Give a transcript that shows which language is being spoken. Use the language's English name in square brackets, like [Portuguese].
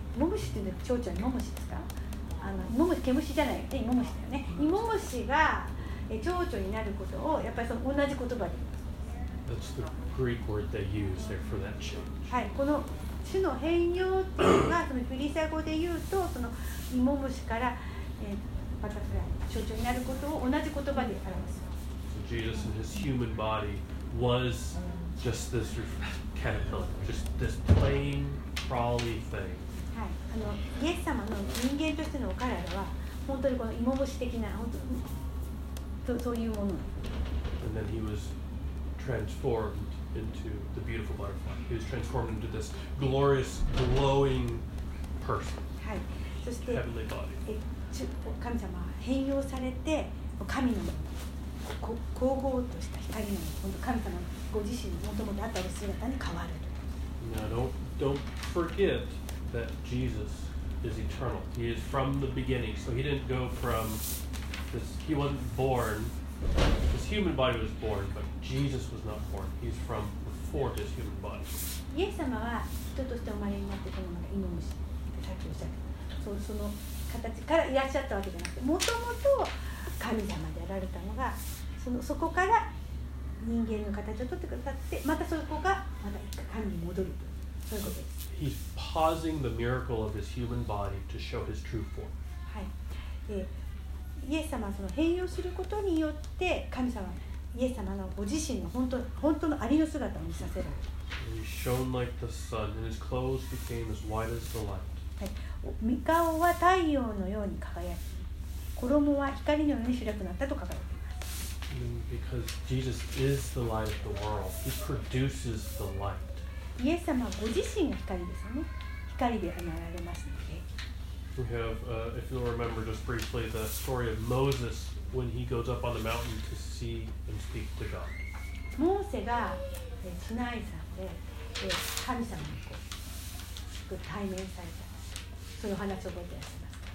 [Japanese] モムシっていうのは蝶々にモムシですか？モムシ、毛虫じゃないって、イモムシだよね。イモムシが蝶々になることを、やっぱりその同じ言葉で言います。 [English] That's the Greek word they use there for that change. [Japanese] はい、この種の変容っていうのが、そのギリシャ語で言うと、そのイモムシから、バタフライ、蝶々になることを同じ言葉で表す。 [English] So Jesus in his human body was just this caterpillar, just this plain, crawly thing. [Japanese] イエス様の人間としてのお体は本当にこの芋虫的な本当そういうもの。 [English] And then he was transformed into the beautiful butterfly. He was transformed into this glorious, glowing person. [Japanese] はい。そして、 [English] heavenly body. [Japanese] 神様は変容されて神の光合とした光の今度神様ご自身の元々あった姿に変わる。 [English] Now don't forget that Jesus is eternal. He is from the beginning. So he didn't go from this, he wasn't born. His human body was born, but Jesus was not born. He's from before his human body. [Japanese] イエス様は人として生まれになってこのまま犬虫ってさっきおっしゃった、その形からいらっしゃったわけじゃなくて、もともと神様であられたのが そこから人間の形を取ってくださって、またそこがまた一回神に戻るという、そういうことです。 [English] He's pausing the miracle of his human body to show his true form. [Japanese] はい。イエス様はその変容することによって神様、イエス様のご自身の本当のありの姿を見させられる。 [English] He shone like the sun, and his clothes became as white as the light. [Japanese] はい。御顔は太陽のように輝き、衣は光のように白くなったと書かれています。 [English] Because Jesus is the light of the world, he produces the light. [Japanese] イエス様はご自身が光ですね。光で現れますので。 [English] We have, if you'll remember just briefly, the story of Moses when he goes up on the mountain to see and speak to God. [Japanese] モーセがシナイ山で神様にこう対面された。その話を覚えていますか。